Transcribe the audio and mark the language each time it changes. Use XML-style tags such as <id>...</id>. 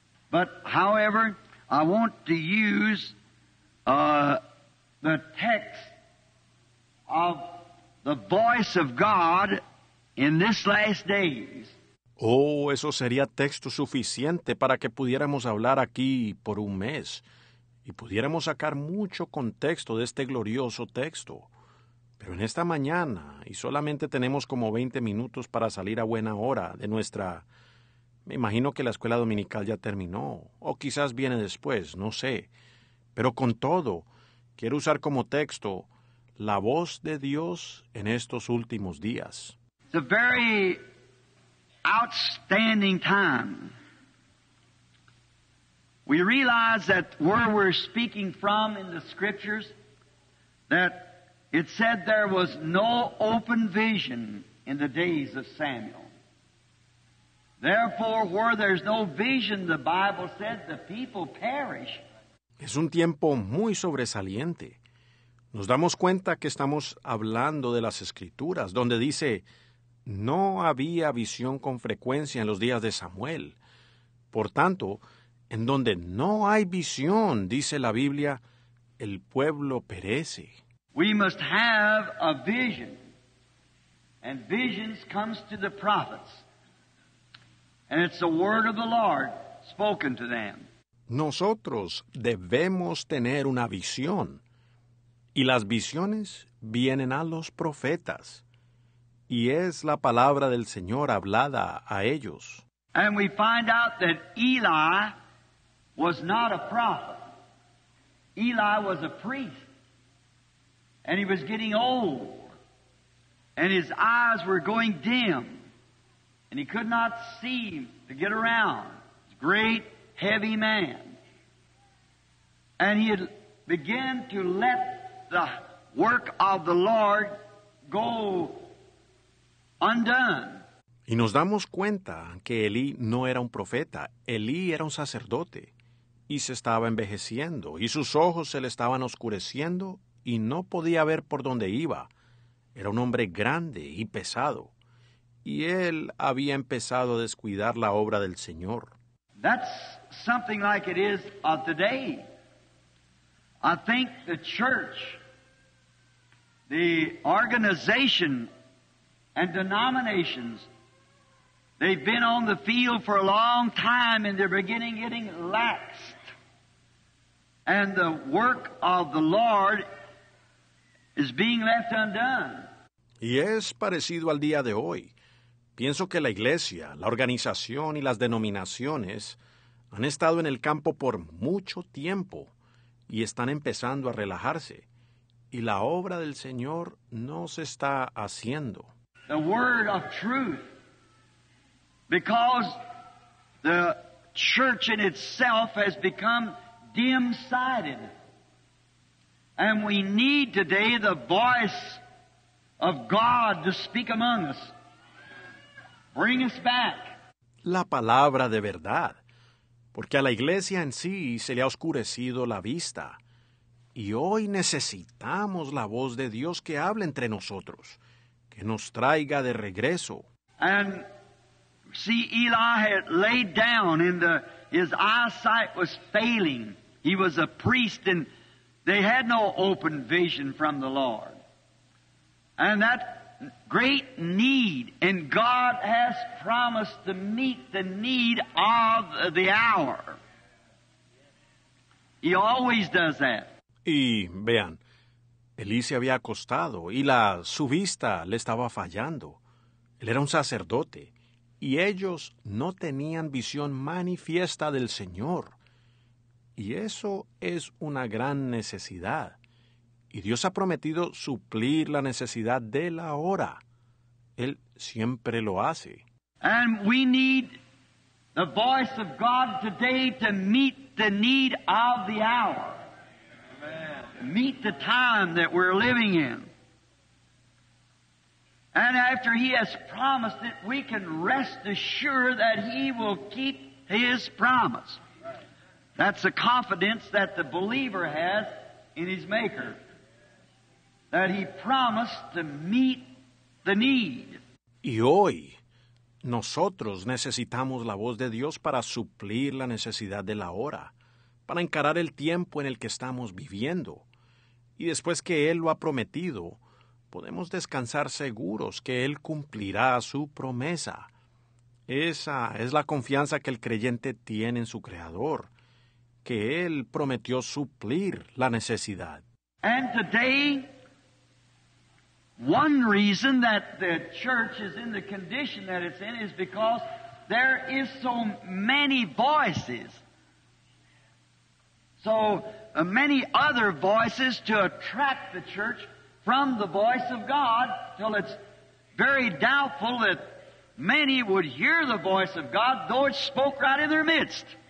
<en>But however, I want to use the text of the voice of God in this last days.</en> <es>Oh, eso sería texto suficiente para que pudiéramos hablar aquí por un mes y pudiéramos sacar mucho contexto de este glorioso texto. Pero en esta mañana, y solamente tenemos como 20 minutos para salir a buena hora de nuestra... Me imagino que la escuela dominical ya terminó, o quizás viene después, no sé. Pero con todo, quiero usar como texto la voz de Dios en estos últimos días.</es> <en>The very... outstanding time. We realize that where we're speaking from in the scriptures, that it said there was no open vision in the days of Samuel. Therefore, where there's no vision, the Bible said the people perish.</en> <es>Es un tiempo muy sobresaliente. Nos damos cuenta que estamos hablando de las escrituras, donde dice... No había visión con frecuencia en los días de Samuel. Por tanto, en donde no hay visión, dice la Biblia, el pueblo perece.</es> <en>We must have a vision. And visions comes to the prophets. And it's the word of the Lord spoken to them.</en> <es>Nosotros debemos tener una visión. Y las visiones vienen a los profetas. Y es la palabra del Señor hablada a ellos.</es> <en>And we find out that Eli was not a prophet. Eli was a priest. And he was getting old. And his eyes were going dim, and he could not see to get around. He's a great, heavy man. And he had begun to let the work of the Lord go undone.</en> <es>Y nos damos cuenta que Elí no era un profeta. Elí era un sacerdote, y se estaba envejeciendo, y sus ojos se le estaban oscureciendo, y no podía ver por dónde iba. Era un hombre grande y pesado, y él había empezado a descuidar la obra del Señor.</es> <en>That's something like it is of today. I think the church, the organization and denominations, they've been on the field for a long time and they're beginning getting laxed. And the work of the Lord is being left undone.</en> <es>Y es parecido al día de hoy. Pienso que la iglesia, la organización y las denominaciones han estado en el campo por mucho tiempo y están empezando a relajarse. Y la obra del Señor no se está haciendo.</es> <en>The word of truth, because the church in itself has become dim-sighted. And we need today the voice of God to speak among us. Bring us back.</en> <es>La palabra de verdad, porque a la iglesia en sí se le ha oscurecido la vista, y hoy necesitamos la voz de Dios que hable entre nosotros, que nos traiga de regreso.</es> <en>And see, Eli had laid down, and his eyesight was failing. He was a priest, and they had no open vision from the Lord. And that great need, and God has promised to meet the need of the hour. He always does that.</en> <es>Y vean, Elí se había acostado, y su vista le estaba fallando. Él era un sacerdote, y ellos no tenían visión manifiesta del Señor. Y eso es una gran necesidad. Y Dios ha prometido suplir la necesidad de la hora. Él siempre lo hace.</es> <en>And we need the voice of God today to meet the need of the hour. Amen. Meet the time that we're living in. And after he has promised it, we can rest assured that he will keep his promise. That's the confidence that the believer has in his Maker. That he promised to meet the need.</en> <es>Y hoy, nosotros necesitamos la voz de Dios para suplir la necesidad de la hora, para encarar el tiempo en el que estamos viviendo. Y después que Él lo ha prometido, podemos descansar seguros que Él cumplirá su promesa. Esa es la confianza que el creyente tiene en su Creador, que Él prometió suplir la necesidad.</es> <en>And today, one reason that the church is in the condition that it's in is because there is so many voices. So many other voices to attract the church from the voice of God, till it's very doubtful that many would hear the voice of God, though it spoke right in their midst.</en>